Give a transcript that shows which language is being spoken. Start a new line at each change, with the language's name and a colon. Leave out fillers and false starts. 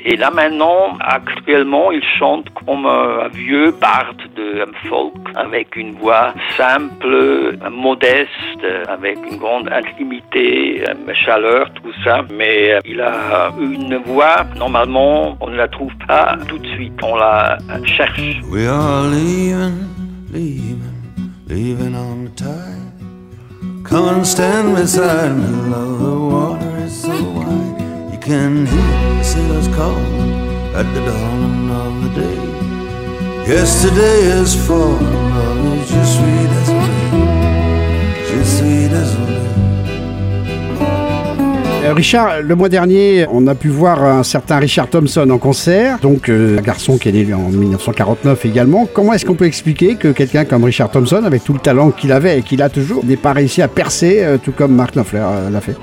French: Et là maintenant, actuellement, il chante comme un vieux bard de folk, avec une voix simple, modeste, avec une grande intimité, chaleur, tout ça. Mais il a une voix, normalement, on ne la trouve pas tout de suite, on la cherche.
English: We are leaving, leaving, leaving on the tide. Come and stand beside me, love, the water is so wide. You can hear the sailors calling at the dawn of the day. Yesterday is falling, love is just sweet as rain. Just sweet as rain.
French: Richard, le mois dernier, on a pu voir un certain Richard Thompson en concert, donc un garçon qui est né en 1949 également. Comment est-ce qu'on peut expliquer que quelqu'un comme Richard Thompson, avec tout le talent qu'il avait et qu'il a toujours, n'ait pas réussi à percer tout comme Mark Knopfler l'a fait?